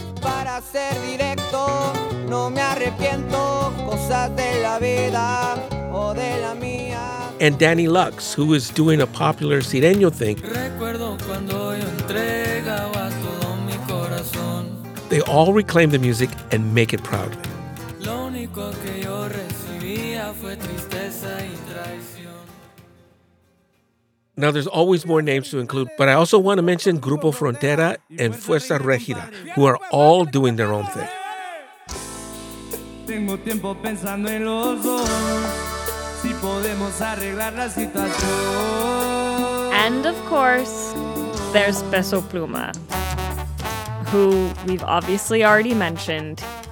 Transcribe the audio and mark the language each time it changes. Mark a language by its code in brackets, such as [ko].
[es] Para ser directo, no me arrepiento, cosas de la vida, o de la mía. [en] And Danny Lux, who is doing a popular sireño thing. [es] Recuerdo cuando yo entregaba todo mi corazón. [en] They all reclaim the music and make it proudly. [es] Lo único que yo recibía fue tristeza y traición. [en] Now, there's always more names to include, but I also want to mention Grupo Frontera and Fuerza Regida, who are all doing their own thing. And of course, there's Peso Pluma, who we've obviously already mentioned.